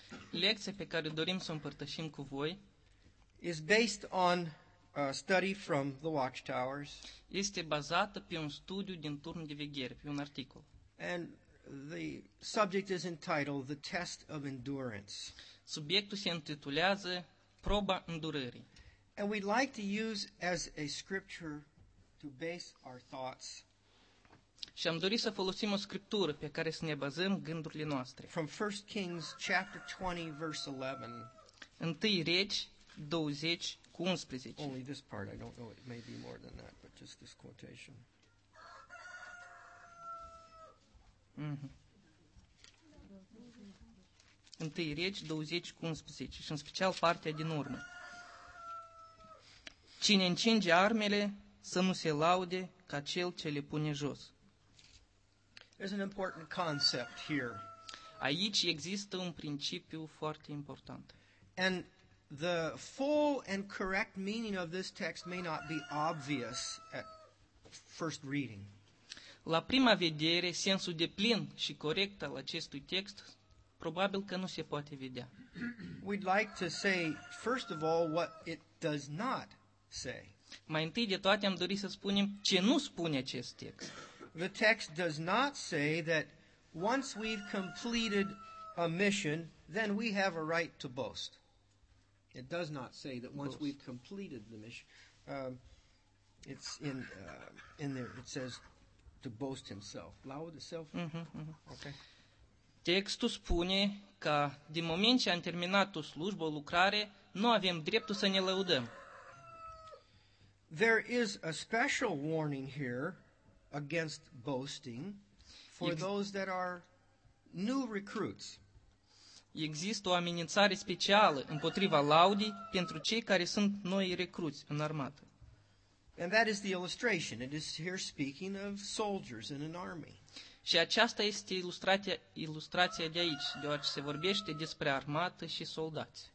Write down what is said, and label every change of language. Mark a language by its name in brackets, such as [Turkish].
[Romanian] Lecția pe care dorim să o împărtășim cu voi [English] is based on a study from the Watchtowers. [Romanian] Este bazată pe un studiu din turn de veghere, pe un articol. [English] And the subject is entitled "The Test of Endurance." [Romanian] Subiectul se intitulează "Proba îndurării." [English] And we'd like to use as a scripture to base our thoughts. [Romanian] Și am dorit să folosim o scriptură pe care să ne bazăm gândurile noastre. [English] From 1 Kings chapter 20 verse 11. [Romanian] Întâi Regi 20 cu 11. [English] Only this part, I don't know, it may be more than that, but just this quotation. [Romanian] Întâi Regi 20 cu 11 și în special partea din urmă. Cine încinge armele să nu se laude ca cel ce le pune jos. [English] There's an important concept here. [Romanian] Aici există un principiu foarte important. [English] And the full and correct meaning of this text may not be obvious at first reading. [Romanian] La prima vedere, sensul deplin și corect al acestui text probabil că nu se poate vedea. [English] We'd like to say first of all what it does not say. [Romanian] Mai întâi de toate am dorit să spunem ce nu spune acest text. [English] The text does not say that once we've completed a mission, then we have a right to boast. It does not say that once we've completed the mission, it's in there, it says to boast himself. [Romanian] Laudă [English] self. Okay. [Romanian] Textul spune că din moment ce am terminat o slujbă, o lucrare, nu avem dreptul să ne lăudăm. [English] There is a special warning here against boasting for those that are new recruits. [Romanian] Există o amenințare specială împotriva laudii pentru cei care sunt noi recruți în armată. [English] And that is the illustration. It is here speaking of soldiers in an army. [Romanian] Și aceasta este ilustrația de aici, deoarece se vorbește despre armată și soldați.